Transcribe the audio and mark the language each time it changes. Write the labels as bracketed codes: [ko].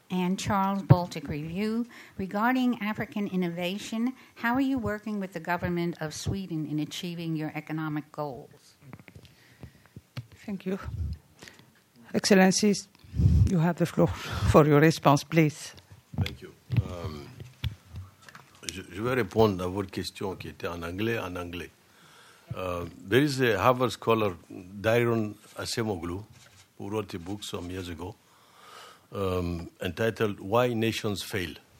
[en] And Charles Baltic Review, regarding African innovation, how are you working with the government of Sweden in achieving your economic goals? Thank you. Excellencies, you have the floor for your response, please. Thank you. [fr] Je vais répondre à votre question qui était en anglais, en anglais. [en] There is a Harvard scholar, Dairon Acemoglu, who wrote a book some years ago, entitled Why Nations Fail.